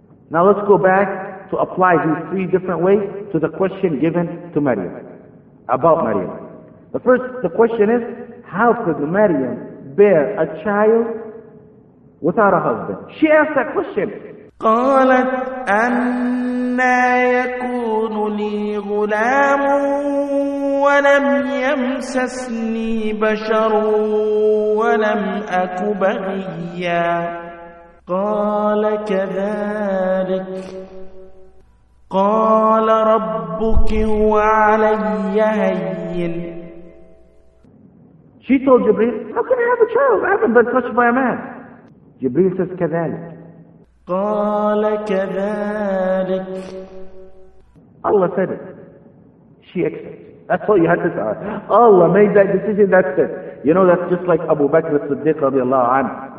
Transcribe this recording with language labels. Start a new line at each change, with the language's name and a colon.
English: Now let's go back to apply these three different ways to the question given to Maryam, about Maryam. The question is, how could Maryam bear a child without a husband? She asked that question.
Arabic: قالت أنى يكون لي غلام ولم يمسسني بشر ولم أك بغيا قال كذلك قال ربك هو علي هين.
English: She told Jibreel, how can I have a child? I haven't been touched by a man. Jibreel says, كذلك.
Arabic: قال كذلك.
English: Allah said it. She accepted. That's all you had to say. Allah made that decision, that's it. You know, that's just like Abu Bakr as-Siddiq radiallahu anhu.